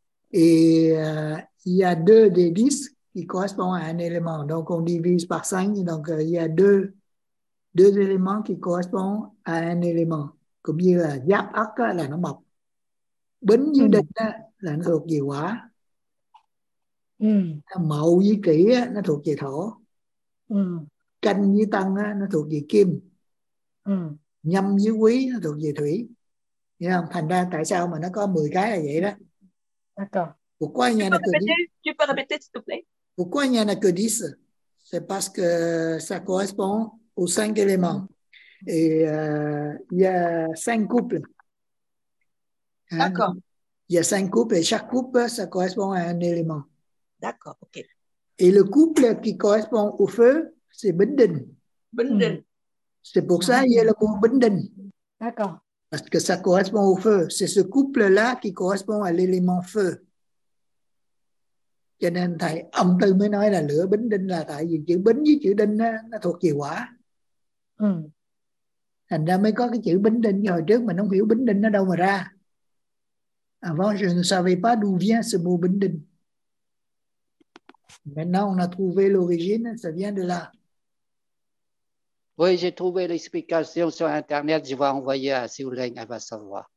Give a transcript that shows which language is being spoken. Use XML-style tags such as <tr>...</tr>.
<fr>Et il y a deux des 10 qui correspondent à un élément, donc on divise par 5, donc il y a deux éléments qui correspondent à un élément, comme dire</fr> <vi>là giáp ắc là nó mộc, bính dương đinh là nó thuộc về hỏa. Mậu với kỷ nó thuộc về thổ. Canh với tân nó thuộc về kim. Nhâm với quý nó thuộc về thủy. Không? Thành ra tại sao mà nó có 10 cái là vậy đó.</vi> <fr>Pourquoi il y en a que 10? Tu peux répéter s'il te plaît? Pourquoi il y en a que 10? C'est parce que ça correspond aux 5 éléments. Et il y a 5 couples. D'accord. Il y a 5 couples et chaque couple ça correspond à un élément. D'accord, ok. Et le couple qui correspond au feu, c'est Bình Đình. Bình Đình. C'est pour ça qu'il y a le mot Bình Đình. D'accord. Parce que ça correspond au feu. C'est ce couple-là qui correspond à l'élément feu.</fr> <vi>Cho nên thầy âm tư mới nói là lửa Bình Đình là tại vì chữ Bình với chữ Đình nó thuộc về hỏa. Thành ra mới có cái chữ Bình Đình hồi trước mình không hiểu Bình Đình nó đâu mà ra.</vi> <fr>Avant, je ne savais pas d'où vient ce mot Bình Đình. Maintenant, on a trouvé l'origine, ça vient de là. Oui, j'ai trouvé l'explication sur Internet, je vais envoyer à Siouleng, elle va savoir.</fr>